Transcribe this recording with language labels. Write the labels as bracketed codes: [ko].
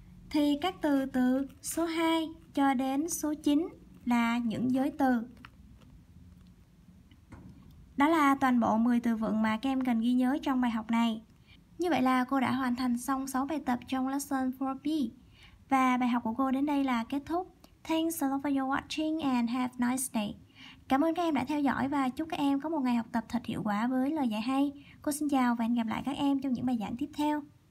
[vi] Thì các từ từ số 2 cho đến số 9 là những giới từ. Đó là toàn bộ 10 từ vựng mà các em cần ghi nhớ trong bài học này. Như vậy là cô đã hoàn thành xong 6 bài tập trong lesson 4B. Và bài học của cô đến đây là kết thúc. [en] Thanks a lot for your watching and have a nice day. [vi] Cảm ơn các em đã theo dõi và chúc các em có một ngày học tập thật hiệu quả với lời dạy hay. Cô xin chào và hẹn gặp lại các em trong những bài giảng tiếp theo.